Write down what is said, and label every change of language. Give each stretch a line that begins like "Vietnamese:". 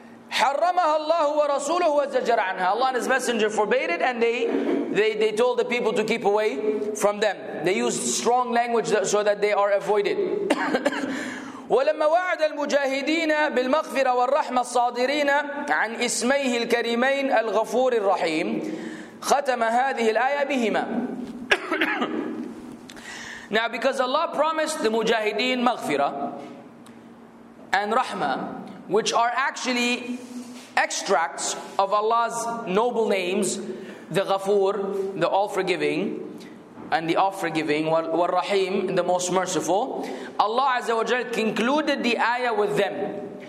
Arabic: حرمها الله ورسوله وزجر عنها.
English: Allah and His Messenger forbade it, and they told the people to keep away from them. They used strong language so that they are avoided.
Arabic: ولما وعد المجاهدين بالمغفرة والرحمة الصادرين عن اسميه الكريمين الغفور الرحيم ختم هذه الآية بهما.
English: Now, because Allah promised the mujahideen maghfira and rahma, which are actually extracts of Allah's noble names, the Ghafoor, the all-forgiving, and the off-forgiving, wal-Rahim, the most merciful, Allah Azza wa Jalla concluded the ayah with them.